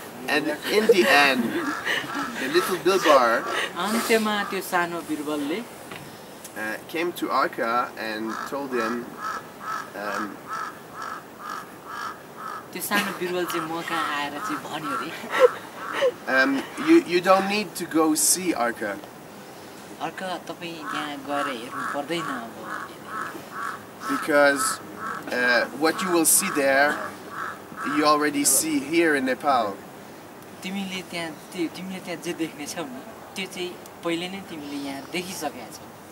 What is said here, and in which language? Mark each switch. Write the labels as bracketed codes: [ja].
[en] And in the end, the little Bilbar came to Arka and told him. [ne] त्यो सानो बिरुवा चाहिँ म कहाँ आएर चाहिँ भन्यो अरे [en] you don't need to go see अर्का [ne] अर्का तपाईँ त्यहाँ गएर हेर्नु पर्दैन अब [en] because what you will see there you already see here in Nepal [ne] तिमीले त्यहाँ तिमीले त्यहाँ जे देख्नेछौ नि त्यो चाहिँ पहिले नै तिमीले यहाँ देखिसकेको छौ